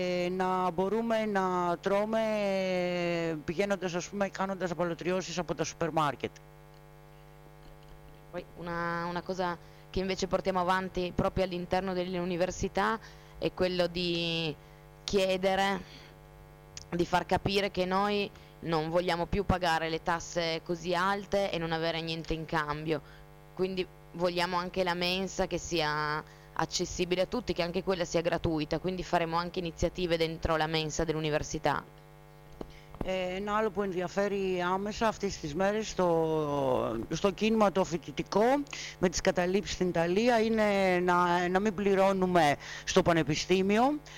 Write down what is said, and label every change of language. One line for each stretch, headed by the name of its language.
Greek: Να μπορούμε να τρώμε πηγαίνοντας, ας πούμε, κάνοντας απολωτριώσεις από τα σούπερ μάρκετ.
Italian: Poi una cosa che invece portiamo avanti proprio all'interno delle università è quello di chiedere, di far capire che noi non vogliamo più pagare le tasse così alte e non avere niente in cambio. Quindi vogliamo anche la mensa che sia accessibile a tutti, che anche quella sia gratuita, quindi faremo anche iniziative dentro la mensa dell'università.
Greek: Ένα άλλο που ενδιαφέρει άμεσα αυτές τις μέρες στο κίνημα το φοιτητικό με τις καταλήψεις στην Ιταλία είναι να μην πληρώνουμε στο πανεπιστήμιο.